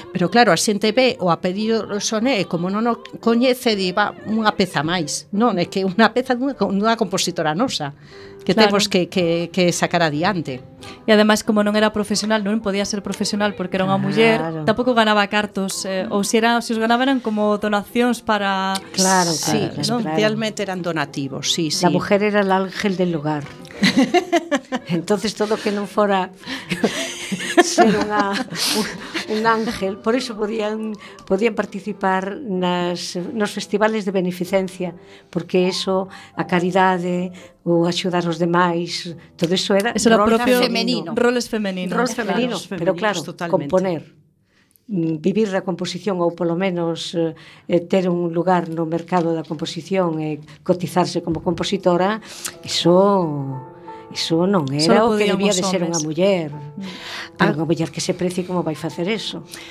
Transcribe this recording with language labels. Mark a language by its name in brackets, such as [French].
[Galician] Pero claro, a xente ve o apelido Soné e como non o coñece, di, va, unha peza máis. Non, é que unha peza dunha compositora nosa. Que claro, temos que sacar adiante. E ademais, como non era profesional, non podía ser profesional porque era unha muller, tampouco ganaba cartos, ou se os ganaban eran como donacións para... Claro, sí, claro. Especialmente eran donativos, sí, sí. [Spanish] La mujer era el ángel del hogar. [Galician] Entonces todo que non fora ser un ángel, por iso podían participar nos festivales de beneficencia, porque eso, a caridade ou axudar os demais, todo iso era eso propio femenino. Roles femeninos. Roles femeninos, pero claro, totalmente. Componer, vivir da composición ou polo menos ter un lugar no mercado da composición e cotizarse como compositora, iso non era o que debía de ser unha muller. Unha muller que se precie, como vai facer eso?